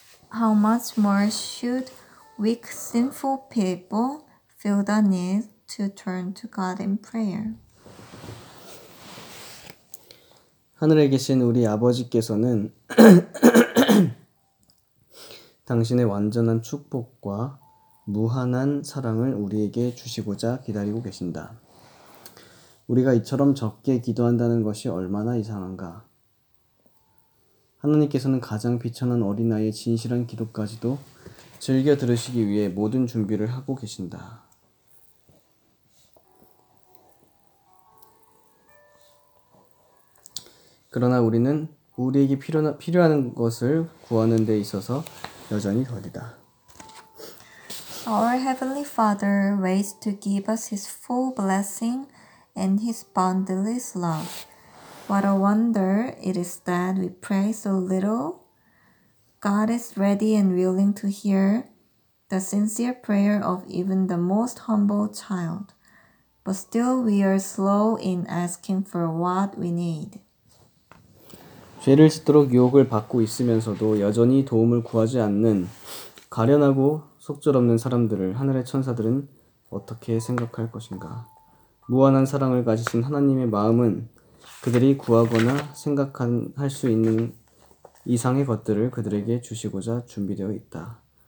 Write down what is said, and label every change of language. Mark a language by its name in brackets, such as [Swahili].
[English] How much more should weak, sinful people feel the need to turn to God in prayer? [Korean] 하늘에 계신 우리 아버지께서는 당신의 완전한 축복과 무한한 사랑을 우리에게 주시고자 기다리고 계신다. 우리가 이처럼 적게 기도한다는 것이 얼마나 이상한가. 하나님께서는 가장 비천한 어린아이의 진실한 기도까지도 즐겨 들으시기 위해 모든 준비를 하고 계신다. 그러나 우리는 우리에게 필요한 것을 구하는 데 있어서 여전히 거리다. [English] Our Heavenly Father waits to give us His full blessing and His boundless love. What a wonder it is that we pray so little. God is ready and willing to hear the sincere prayer of even the most humble child. But still we are slow in asking for what we need. [Korean] 죄를 짓도록 유혹을 받고 있으면서도 여전히 도움을 구하지 않는 가련하고 속절없는 사람들을 하늘의 천사들은 어떻게 생각할 것인가? 무한한 사랑을 가지신 하나님의 마음은 그들이 구하거나 생각할 수 있는 이상의 것들을 그들에게 주시고자 준비되어 있다.